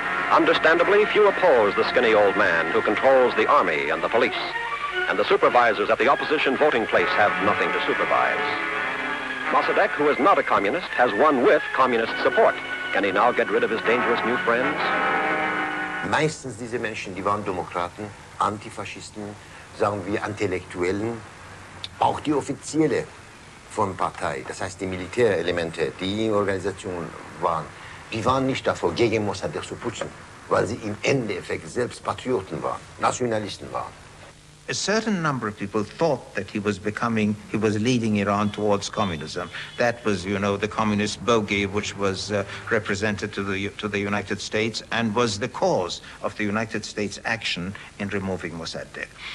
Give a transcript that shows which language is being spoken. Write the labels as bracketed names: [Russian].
[English] Understandably, few oppose the skinny old man who controls the army and the police, and the supervisors at the opposition voting place have nothing to supervise. Mossadegh, who is not a communist, has won with communist support. Can he now get rid of his dangerous new friends? [German] Meistens diese Menschen, die waren Demokraten, Antifaschisten, sagen wir Intellektuellen, auch die Offizielle von Partei, das heißt die Militärelemente, die in Organisation waren, die waren nicht davor, gegen Mossadegh zu putschen, weil sie im Endeffekt selbst Patrioten waren, Nationalisten waren. [English] A certain number of people thought that he was leading Iran towards communism. That was, you know, the communist bogey which was represented to the United States and was the cause of the United States' action in removing Mossadegh.